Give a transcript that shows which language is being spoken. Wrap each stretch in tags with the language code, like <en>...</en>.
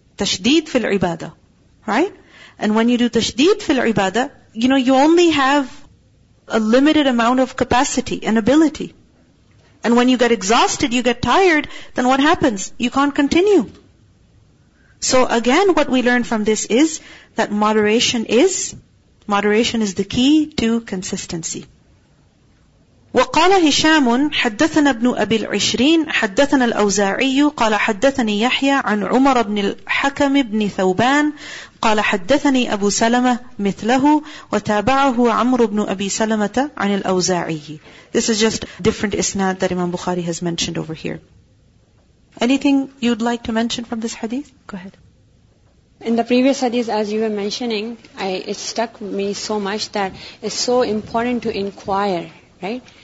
<en>Tashdeed fil ibadah. Right? And when you do tashdeed fil ibadah, you know, you only have a limited amount of capacity and ability. And when you get exhausted, you get tired, then what happens? You can't continue. So again, what we learn from this is that moderation is the key to consistency.</en> <ar>وقال هشام حدثنا ابن أبي العشرين حدثنا الأوزاعي قال حدثني يحيى عن عمر بن الحكم بن ثوبان قال حدثني أبو سلمة مثله وتابعه عمر بن أبي سلمة عن الأوزاعي.</ar> <en>This is just different isnad that Imam Bukhari has mentioned over here. Anything you'd like to mention from this hadith? Go ahead. In the previous hadith, as you were mentioning, it stuck me so much that it's so important to inquire. Right?</en>